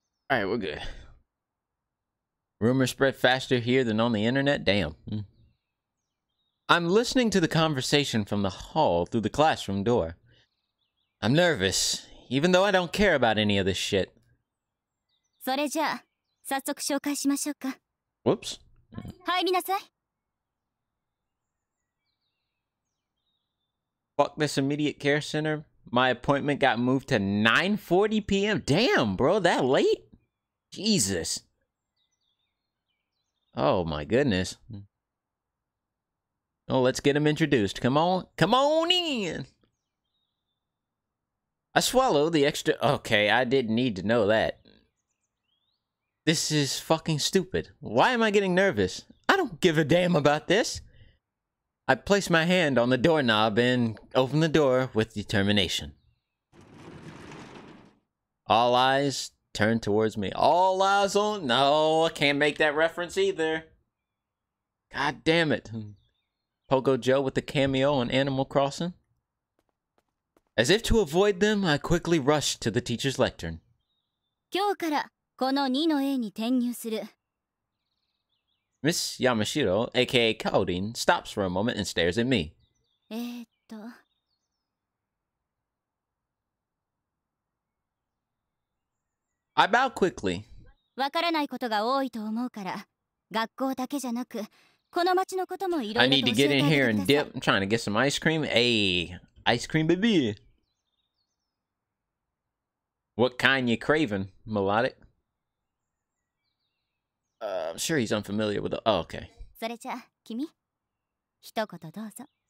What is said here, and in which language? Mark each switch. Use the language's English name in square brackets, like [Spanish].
[English] All right, we're good. Rumors spread faster here than on the internet? Damn. I'm listening to the conversation from the hall through the classroom door. I'm nervous, even though I don't care about any of this shit. [Japanese] それじゃあ、早速紹介しましょうか。 [English] Whoops. [Japanese] 入りなさい。 [English] Fuck this immediate care center. My appointment got moved to 9:40 p.m. Damn, bro, that late? Jesus. Oh my goodness. Oh, let's get him introduced. Come on in. I swallow the extra. Okay, I didn't need to know that. This is fucking stupid. Why am I getting nervous? I don't give a damn about this. I place my hand on the doorknob and open the door with determination. All eyes turn towards me. All eyes on. No, I can't make that reference either. God damn it. Pogo Joe with the cameo on Animal Crossing. As if to avoid them, I quickly rush to the teacher's lectern. [Japanese] 今日からこの2の A に転入する。 [English] Miss Yamashiro, aka Kaorin, stops for a moment and stares at me. [Japanese] えっと... [English] I bow quickly. [Japanese] わからないことが多いと思うから、学校だけじゃなく、この町のこともいろいろ教えてください。 [English] I need to get in here and dip. I'm trying to get some ice cream. Hey, ice cream baby. What kind you craving, Melodic? I'm sure he's unfamiliar with the... Oh, okay. [Japanese] それじゃあ、君、一言どうぞ。